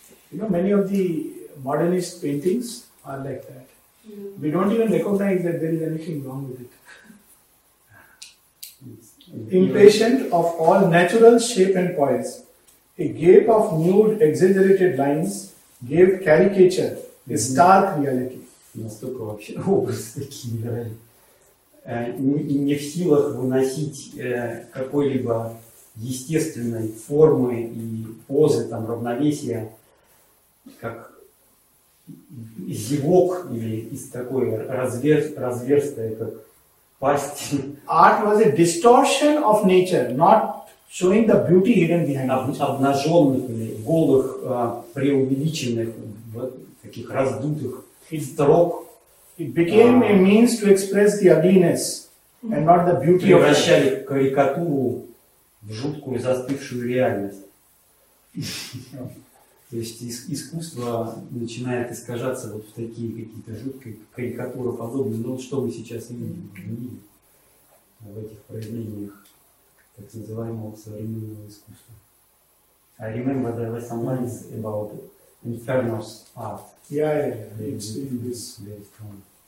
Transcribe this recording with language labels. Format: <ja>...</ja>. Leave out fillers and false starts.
<en>You know, many of the modernist paintings are like that. We don't even recognize that there is anything wrong with it. Impatient of all natural shape and poise, a gape of nude, exaggerated lines gave caricature, a stark reality.</en> <ru>Настолько вообще образ такие, да? Не в силах выносить какой-либо естественной формы и позы, там, равновесия, как зевок или из такой разверстая, как пасть.</ru> <en>Art was a distortion of nature, not showing the beauty hidden behind it.</en> <ru>Обнаженных или голых, преувеличенных, таких раздутых строк.</ru> <en>It became a means to express the ugliness and not the beauty of it.</en> <ru>Превращали карикатуру в жуткую застывшую реальность. То есть искусство начинает искажаться вот в такие какие-то жуткие карикатуроподобные. Ну, что мы сейчас видим в этих произведениях так называемого современного искусства.</ru> <en>I remember there were some lines about Inferno's art. Yeah, it's in this very strong.</en>